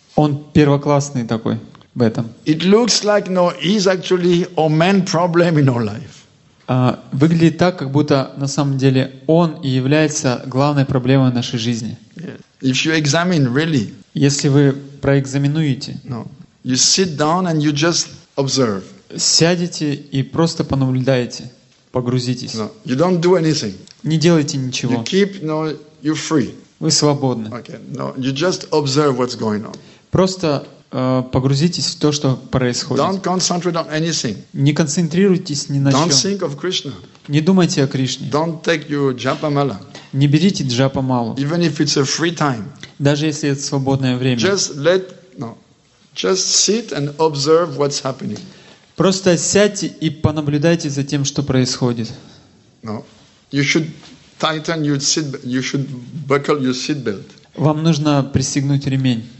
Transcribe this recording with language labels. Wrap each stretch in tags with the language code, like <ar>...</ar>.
<ru>Он первоклассный такой в этом.</ru> <en>It looks like no, he's actually a main problem in our life.</en> <ru>Выглядит так, как будто на самом деле он и является главной проблемой нашей жизни.</ru> <en>If you examine really,</en> <ru>если вы проэкзаменуете,</ru> <en>no, you sit down and you just observe.</en> <ru>Сядете и просто понаблюдаете, погрузитесь.</ru> <en>No, you don't do anything.</en> <ru>Не делайте ничего.</ru> <en>You keep, no, you free.</en> <ru>Вы свободны.</ru> <en>Okay, no, you just observe what's going on.</en> <ru>Просто погрузитесь в то, что происходит.</ru> <en>Don't concentrate on anything.</en> <ru>Не концентрируйтесь ни на</ru> <en>don't Don't think of Krishna.</en> <ru>Не думайте о Кришне.</ru> <en>Don't take your japamala.</en> <ru>Не берите джапамалу.</ru> <en>Even if it's a free time.</en> <ru>Даже если это свободное время.</ru> <en>Just let, no, just sit and observe what's happening.</en> <ru>Просто сядьте и понаблюдайте за тем, что происходит.</ru> <en>No, you should tighten your seat. You should buckle your seat belt.</en> <ru>Вам нужно пристегнуть ремень.</ru>